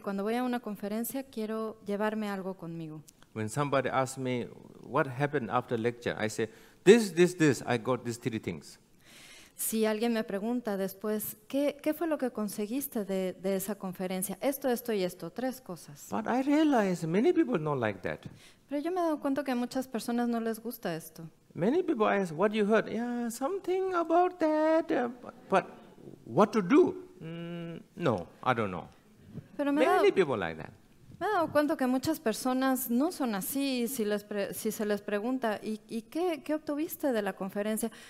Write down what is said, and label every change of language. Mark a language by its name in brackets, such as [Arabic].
[Spanish] Cuando voy a una conferencia, quiero llevarme algo conmigo. [English] When somebody asks me what happened after lecture, I say, this, I got these 3 things. [Spanish] Si alguien me pregunta después, ¿qué fue lo que conseguiste de esa conferencia? Esto y esto, 3 cosas. [English] But I realize many people don't like that. [Spanish] Pero yo me he dado cuenta que a muchas personas no les gusta esto. [English] Many people ask, what you heard? Yeah, something about that. But what to do? No, I don't know. [Spanish] Pero [English] people like that. [Spanish] Me he dado cuenta que muchas personas no son así. Si se les pregunta, ¿y qué obtuviste de la conferencia?